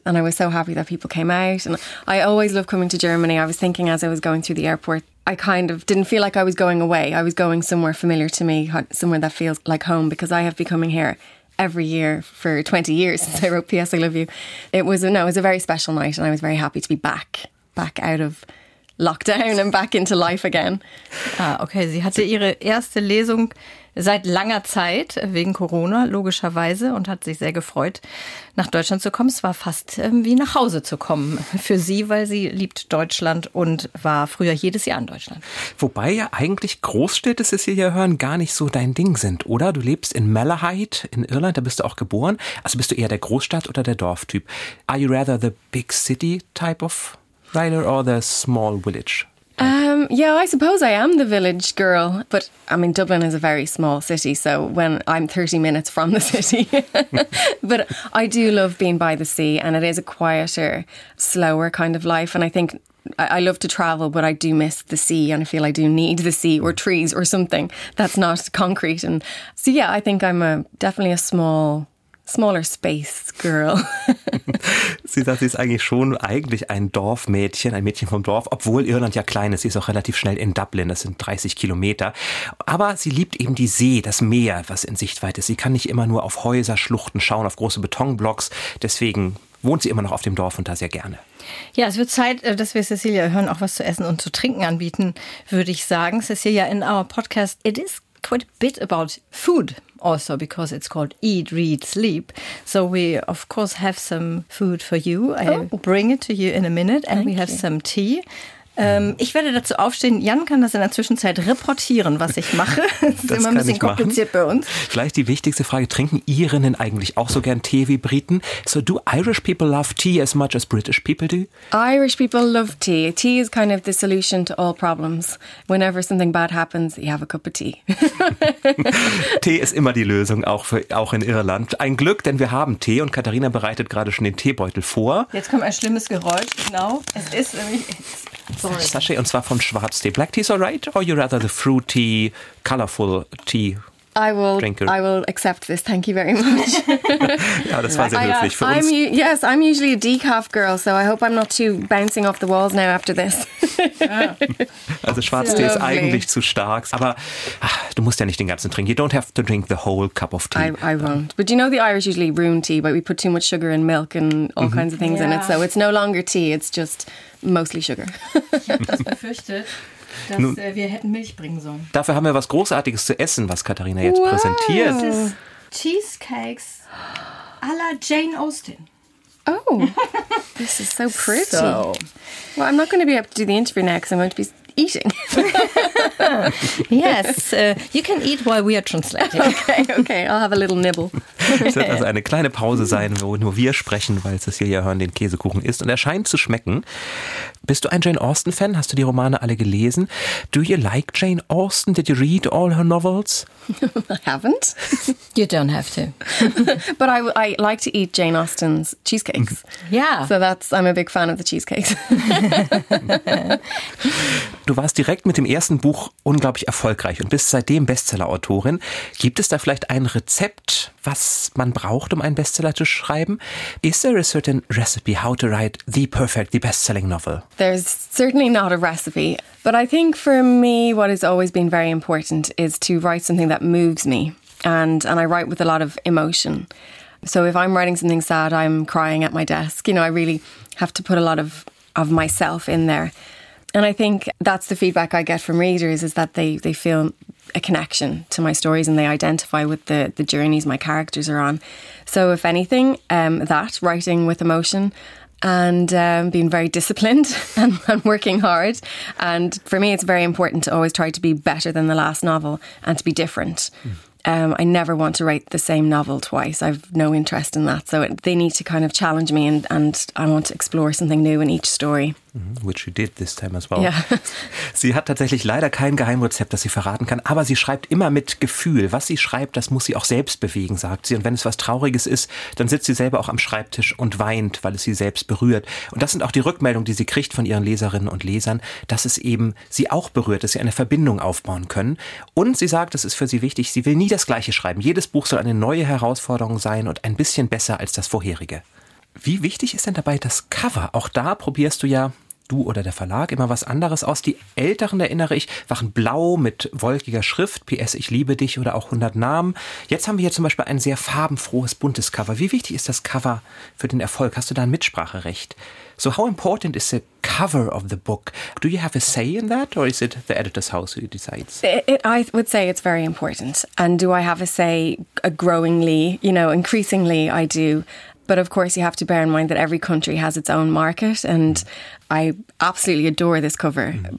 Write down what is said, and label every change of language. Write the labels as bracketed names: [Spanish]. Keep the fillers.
[English] And I was so happy that people came out. And I always love coming to Germany. I was thinking as I was going through the airport, I kind of didn't feel like I was going away. I was going somewhere familiar to me, ho- somewhere that feels like home because I have been coming here every year for 20 years since I wrote P.S. I Love You. It was, a- no, it was a very special night and I was very happy to be back, back out of lockdown and back into life again. Ah, okay. [German] Sie hatte ihre erste Lesung seit langer Zeit, wegen Corona, logischerweise, und hat sich sehr gefreut, nach Deutschland zu kommen. Es war fast ähm, wie nach Hause zu kommen für sie, weil sie liebt Deutschland und war früher jedes Jahr in Deutschland. Wobei ja eigentlich Großstädte, Cecilia Hearn, gar nicht so dein Ding sind, oder? Du lebst in Malahide in Irland, da bist du auch geboren. Also bist du eher der Großstadt- oder der Dorftyp? [English] Are you rather the big city type of rider or the small village? Um, yeah, I suppose I am the village girl, but I mean Dublin is a very small city, so when I'm 30 minutes from the city, but I do love being by the sea, and it is a quieter, slower kind of life, and I think. I I love to travel, but I do miss the sea, and I feel I do need the sea or trees or something that's not concrete. And so, yeah, I think I'm a definitely a small smaller space girl. [German] sie sagt, sie ist eigentlich schon eigentlich ein Dorfmädchen, ein Mädchen vom Dorf, obwohl Irland ja klein ist. Sie ist auch relativ schnell in Dublin, das sind 30 Kilometer. Aber sie liebt eben die See, das Meer, was in Sichtweite ist. Sie kann nicht immer nur auf Häuser, Schluchten schauen, auf große Betonblocks. Deswegen wohnt sie immer noch auf dem Dorf und da sehr gerne. Ja, es wird Zeit, dass wir Cecilia Hören auch was zu essen und zu trinken anbieten, würde ich sagen. [English] Cecilia, in our podcast, it is quite a bit about food also because it's called Eat, Read, Sleep. So we, of course, have some food for you. I oh. bring it to you in a minute and Thank we have you. some tea. [German] Ähm, ich werde dazu aufstehen. Jan kann das in der Zwischenzeit reportieren, was ich mache. Das ist das immer ein bisschen kompliziert machen. bei uns. Vielleicht die wichtigste Frage: Trinken Irinnen eigentlich auch so gern Tee wie Briten? [English] So, do Irish people love tea as much as British people do? Irish people love tea. Tea is kind of the solution to all problems. Whenever something bad happens, you have a cup of tea. [German] Tee ist immer die Lösung, auch, für, auch in Irland. Ein Glück, denn wir haben Tee und Katharina bereitet gerade schon den Teebeutel vor. Jetzt kommt ein schlimmes Geräusch, genau. Es ist nämlich. Sorry. Sachet und zwar von Schwarztee. [English] Black tea is alright, or you rather the fruity, colorful tea? I will, drinker? I will accept this. Thank you very much. [German] ja, das war sehr höflich für [English] I'm, [German] uns. [English] yes, I'm usually a decaf girl, so I hope I'm not too bouncing off the walls now after this. [German] also Schwarztee ist eigentlich zu stark, aber ach, du musst ja nicht den ganzen trinken. [English] You don't have to drink the whole cup of tea. I, I won't. But you know the Irish usually brew tea, but we put too much sugar and milk and all mm -hmm. kinds of things yeah. in it, so it's no longer tea, it's just mostly sugar. [German] ich habe das befürchtet. Dass Nun, äh, wir hätten Milch bringen sollen. Dafür haben wir was Großartiges zu essen, was Katharina jetzt wow. präsentiert. Das ist Cheesecakes à la Jane Austen. [English] Oh, this is so pretty. So. Well, I'm not going to be able to do the interview now because I'm going to be eating. yes, uh, you can eat while we are translating. okay, okay, I'll have a little nibble. [German] es wird also eine kleine Pause sein, wo nur wir sprechen, weil Cecilia Hörn den Käsekuchen isst und er scheint zu schmecken. Bist du ein Jane Austen-Fan? Hast du die Romane alle gelesen? [English] Do you like Jane Austen? Did you read all her novels? I haven't. You don't have to. but I, I like to eat Jane Austen's cheesecakes. Yeah. So that's, I'm a big fan of the cheesecakes. [German] Du warst direkt mit dem ersten Buch unglaublich erfolgreich und bist seitdem Bestseller-Autorin. Gibt es da vielleicht ein Rezept, was man braucht, um einen Bestseller zu schreiben? [English] Is there a certain recipe how to write the perfect, the best-selling novel? There's certainly not a recipe, but I think for me, what has always been very important is to write something that moves me, and and I write with a lot of emotion. So if I'm writing something sad, I'm crying at my desk. You know, I really have to put a lot of of myself in there. And I think that's the feedback I get from readers is that they, they feel a connection to my stories and they identify with the, the journeys my characters are on. So, if anything, um, that writing with emotion and um, being very disciplined and, and working hard. And for me, it's very important to always try to be better than the last novel and to be different. Mm. Um, I never want to write the same novel twice. I've no interest in that. So it, they need to kind of challenge me, and, and I want to explore something new in each story. Which you did this time as well. Yeah. [German] sie hat tatsächlich leider kein Geheimrezept, das sie verraten kann, aber sie schreibt immer mit Gefühl. Was sie schreibt, das muss sie auch selbst bewegen, sagt sie. Und wenn es was Trauriges ist, dann sitzt sie selber auch am Schreibtisch und weint, weil es sie selbst berührt. Und das sind auch die Rückmeldungen, die sie kriegt von ihren Leserinnen und Lesern, dass es eben sie auch berührt, dass sie eine Verbindung aufbauen können. Und sie sagt, das ist für sie wichtig, sie will nie das Gleiche schreiben. Jedes Buch soll eine neue Herausforderung sein und ein bisschen besser als das vorherige. Wie wichtig ist denn dabei das Cover? Auch da probierst du ja, du oder der Verlag, immer was anderes aus. Die älteren, erinnere ich, waren blau mit wolkiger Schrift, PS Ich liebe dich oder auch 100 Namen. Jetzt haben wir hier zum Beispiel ein sehr farbenfrohes, buntes Cover. Wie wichtig ist das Cover für den Erfolg? Hast du da ein Mitspracherecht? [English] So how important is the cover of the book? Do you have a say in that, or is it the editor's house who decides? It, it, I would say it's very important. And do I have a say? A growingly, you know, increasingly, I do. But of course, you have to bear in mind that every country has its own market, and I absolutely adore this cover. Mm.